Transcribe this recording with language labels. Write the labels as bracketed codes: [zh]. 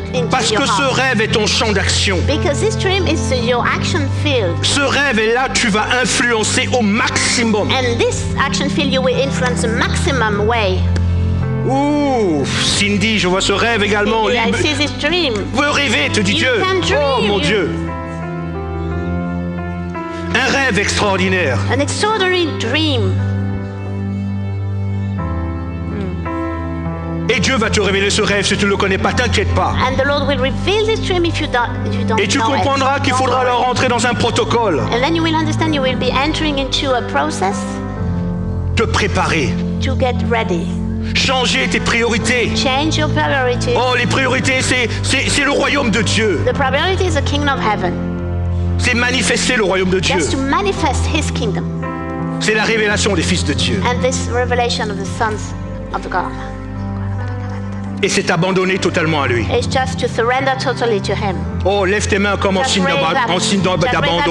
[fr] Parce que ce rêve est ton champ d'action. [en] Because this dream is your action field. [fr] Ce rêve est là, tu vas influencer au maximum. [en] And this action field you will influence the maximum way. [fr] Ouf, Cindy, je vois ce rêve également. [en] Cindy, I see this dream. [fr] Tu peux rêver, te dit [en] you [fr] Dieu. [en] Can dream. [fr] Oh mon Dieu. Un rêve extraordinaire. [en] An extraordinary dream. [fr] Et Dieu va te révéler ce rêve si tu ne le connais pas, t'inquiète pas. [en] And the Lord will reveal this dream if you don't know it. [fr] Et tu comprendras qu'il faudra leur rentrer dans un protocole. [en] And then you will understand you will be entering into a process. [fr] Te préparer. [en] To get ready. [fr] Changer tes priorités. [en] Change your priorities. [fr] Oh, les priorités, c'est le royaume de Dieu. [en] The priority is the kingdom of heaven. [fr] C'est manifester le royaume de Dieu. [en] Just to manifest his kingdom. [fr] C'est la révélation des fils de Dieu. [en] And this revelation of the sons of God. [fr] Et c'est abandonner totalement à lui. [en] It's just to surrender totally to him. [fr] Oh, lève tes mains comme en signe d'abandon.